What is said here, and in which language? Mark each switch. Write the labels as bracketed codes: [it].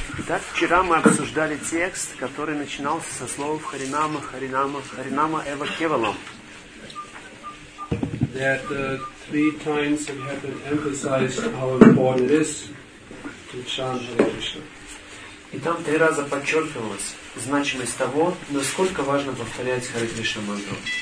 [ru] Итак, вчера мы обсуждали текст, который начинался со слов Харинама, Харинама, Харинама, Эва Кевалам. [en] That three times it had been emphasized how important it is to chant Hare Krishna. [ru] И там три раза подчеркивалось значимость того, насколько важно повторять Харе Кришна мантру.